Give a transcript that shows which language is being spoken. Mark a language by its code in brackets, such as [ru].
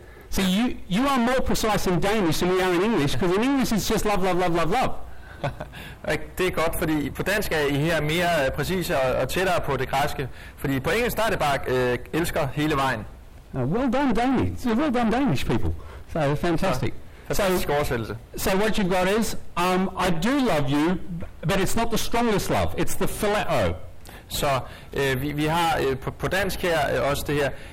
[en] See, you are more precise in Danish than we are in English, because in English it's just love, love, love, love, love. [da] Det er godt, fordi på dansk er I her mere præcise og tættere på det græske. Fordi på engelsk er det bare elsker hele vejen. [en] Well done, Danish. Well done, Danish people. So, fantastic. [da] Fantastisk oversættelse. [en] So, what you've got is, I do love you, but it's not the strongest love. It's the phileo. [da] Så vi har på dansk her også det her.